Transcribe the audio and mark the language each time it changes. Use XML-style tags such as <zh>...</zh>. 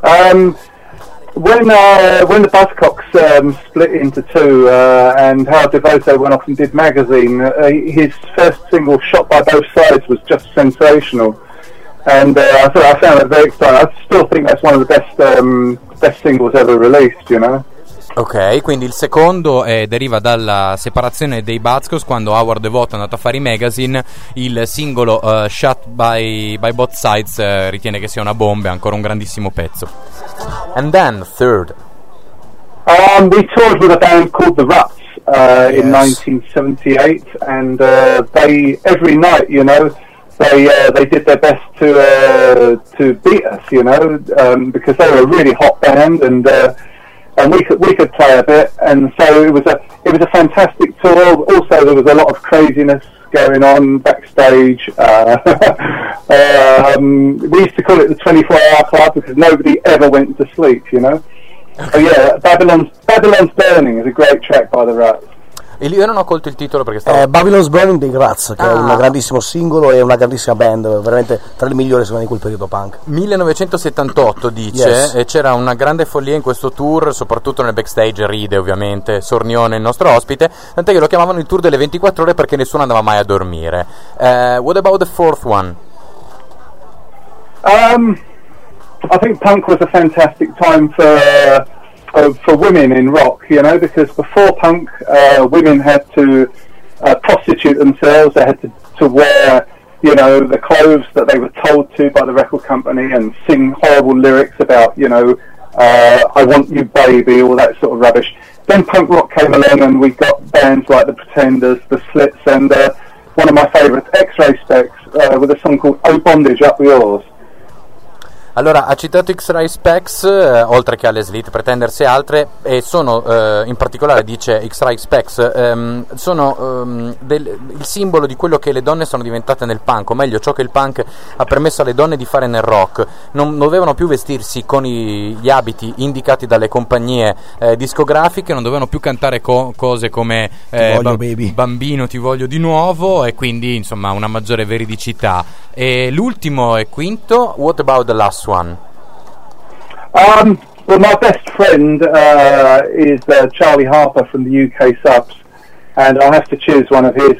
<en>When the Buzzcocks split into two, and Howard DeVoto went off and did Magazine, his first single Shot by Both Sides was just sensational. And I found it very exciting. I still think that's one of the best singles ever released, you know.</en> <it>Ok, quindi il secondo deriva dalla separazione dei Batskos quando Howard Devoto è andato a fare i magazine. Il singolo Shot by Both Sides ritiene che sia una bomba, ancora un grandissimo pezzo.</it> <en>And then third. We toured with a band called The Ruts in 1978, and they every night, you know, they did their best to beat us, you know, because they were a really hot band, and we could play a bit, and so it was a fantastic tour. Also, there was a lot of craziness going on backstage. We used to call it the 24-hour club because nobody ever went to sleep, you know. Oh yeah, Babylon's Burning is a great track by the Ruts.</en> <it>Io non ho colto il titolo perché stavo... Babylon's Burning dei Ruts, che è un grandissimo singolo e una grandissima band, veramente tra le migliori secondo me di quel periodo punk. 1978 dice, yes. E c'era una grande follia in questo tour, soprattutto nel backstage, ride ovviamente, Sornione il nostro ospite, tant'è che lo chiamavano il tour delle 24 ore perché nessuno andava mai a dormire.</it> <en>What about the fourth one? I think punk was a fantastic time for women in rock, you know, because before punk, women had to prostitute themselves. They had to wear, you know, the clothes that they were told to by the record company and sing horrible lyrics about, you know, I want you, baby, all that sort of rubbish. Then punk rock came along and we got bands like The Pretenders, The Slits, and one of my favourites, X-Ray Specs, with a song called Oh Bondage Up Yours.</en> <it>Allora, ha citato X-Ray Specs, oltre che alle Slit, Pretenders e altre, e sono, in particolare dice X-Ray Specs, sono il simbolo di quello che le donne sono diventate nel punk, o meglio, ciò che il punk ha permesso alle donne di fare nel rock. Non dovevano più vestirsi con gli abiti indicati dalle compagnie discografiche, non dovevano più cantare cose come bambino, ti voglio di nuovo, e quindi, insomma, una maggiore veridicità. E l'ultimo e quinto,</it> <en>what about the last one? Well, my best friend is Charlie Harper from the UK Subs, and I have to choose one of his.</en>